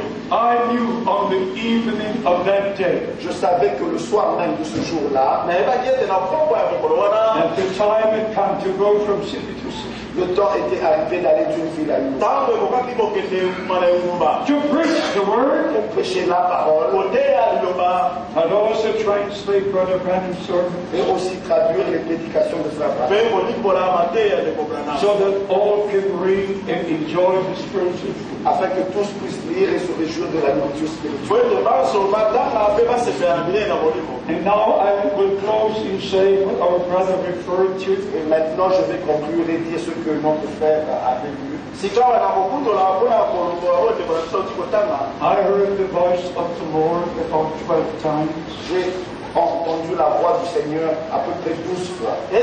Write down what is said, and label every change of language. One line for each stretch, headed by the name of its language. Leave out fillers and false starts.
English: I knew on the evening of that day.
French: Je savais que le soir même de ce jour-là,
English: that the time had come to go from city to city.
French: Le temps était arrivé d'aller d'une ville à une autre.
English: To preach the word.
French: Pour prêcher la parole.
English: And also translate Brother Branham's sermon.
French: Et aussi traduire les prédications de Frère Branham.
English: So that all can read and enjoy the spiritual food.
French: Afin que tous puissent lire et se réjouir de la nourriture spirituelle.
English: And now I will close in saying what our brother referred to.
French: Et maintenant je vais conclure et dire ce que mon frère avait vu.
English: I heard the voice of the Lord about 12 times.
French: J'ai entendu la voix du Seigneur à peu près 12 fois.